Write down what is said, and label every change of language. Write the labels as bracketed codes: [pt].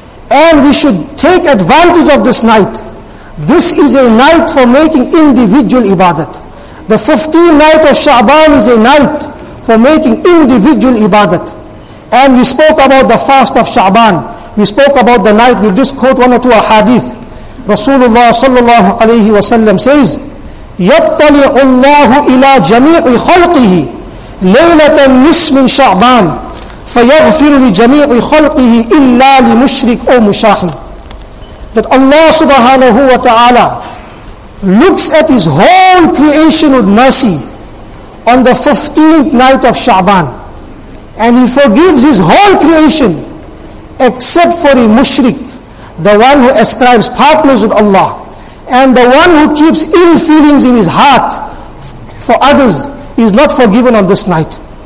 [en] And we should take advantage of this night. This is a night for making individual ibadat. The 15th night of Sha'ban is a night for making individual ibadat. And we spoke about the fast of Sha'ban. We spoke about the night. We'll just quote one or two ahadith. Rasulullah sallallahu alayhi wa sallam says, [ar] يَطَّلِعُ اللَّهُ إِلَىٰ جَمِيعِ خَلْقِهِ لَيْلَةً نِسْمٍ شَعْبَانِ فَيَغْفِرُ لِجَمِيعِ خَلْقِهِ إِلَّا لِمُشْرِكُ أَوْ مُشَاحِنِ. [en] That Allah subhanahu wa ta'ala looks at His whole creation with mercy on the 15th night of Sha'ban. And He forgives His whole creation except for a mushrik, the one who ascribes partners with Allah, and the one who keeps ill feelings in his heart for others is not forgiven on this night.